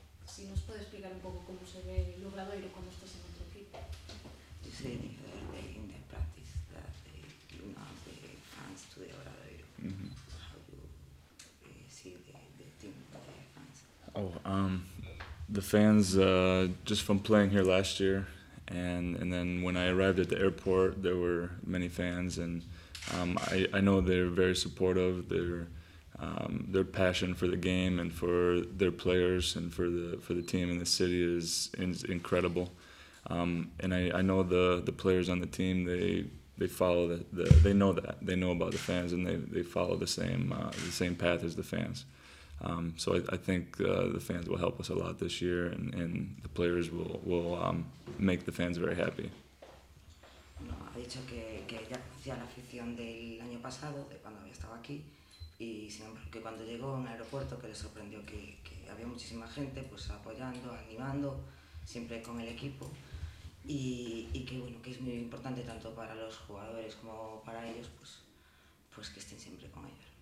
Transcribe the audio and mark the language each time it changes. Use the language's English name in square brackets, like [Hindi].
[Spanish] Si nos puede explicar un poco cómo se ve el Obradoiro cuando estás en otro equipo. [English] Sí, in the practice that you know the fans to the Obradoiro. Mm-hmm. How do you see the team, the fans? The fans, just from playing here last year, and then when I arrived at the airport, there were many fans, and I know they're very supportive. Their passion for the game and for their players and for the team and the city is incredible. And I know the players on the team, they follow the they know that they know about the fans, and they follow the same path as the fans. So I think the fans will help us a lot this year, and the players will make the fans very happy. [Spanish] No, ha dicho que ya conocía la afición del año pasado, de cuando había estado aquí, y que cuando llegó en el aeropuerto que le sorprendió que había muchísima gente, pues apoyando, animando, siempre con el equipo, y que bueno, que es muy importante tanto para los jugadores como para ellos, pues que estén siempre con ellos.